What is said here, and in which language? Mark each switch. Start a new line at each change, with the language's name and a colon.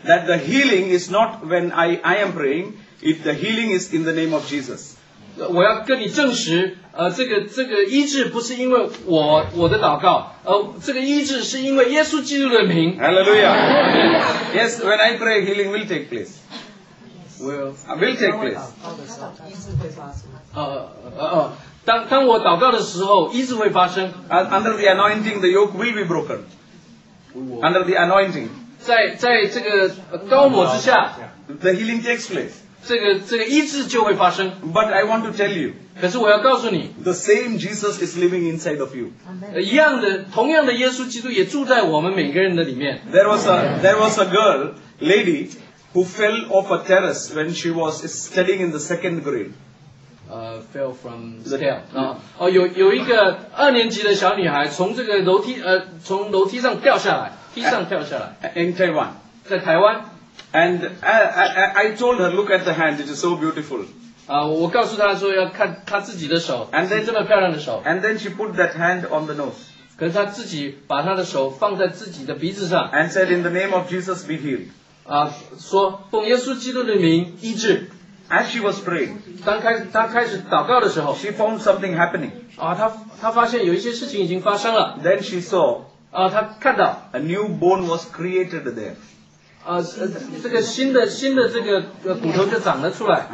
English: ，that the healing is not when I am praying， if the healing is in the name of Jesus。
Chinese: 我要跟你证实，这个医治不是因为我的祷告，这个医治是因为耶稣基督的名。
English: Hallelujah. Yes, when I pray, healing will take place. Will take place.
Chinese: 当我祷告的时候，医治会发生。
English: Under the anointing, the yoke will be broken. Under the anointing.
Chinese: 在这个膏抹之下
English: ，the healing takes place.
Chinese: 这个医治就会发生。
English: But I want to tell you，
Chinese: 可是我要告诉你
English: ，the same Jesus is living inside of you。
Chinese: 一样的，同样的耶稣基督也住在我们每个人的里面。
English: There was a girl lady who fell off a terrace when she was studying in the second grade。 Fell from the stair。
Chinese: 有一个二年级的小女孩从这个楼梯从楼梯上掉下来，梯上掉下来。
English: In Taiwan，
Chinese: 在台湾。
English: And I told her, look at the hand; it is so beautiful.
Chinese: 我告诉她说要看她自己的手。
English: And then
Chinese: 这么漂亮的手。
English: And then she put that hand on the nose.
Chinese: 可是她自己把她的手放在自己的鼻子上。
English: And said, in the name of Jesus, be healed.
Chinese: 说奉耶稣基督的名医治。
English: As she was praying,
Chinese: 她开始祷告的时候
English: ，she found something happening.
Chinese: 她发现有一些事情已经发生了。
English: Then she saw.
Chinese: 她看到
English: a new bone was created there.
Chinese: 这个新的这个骨头就长了出来。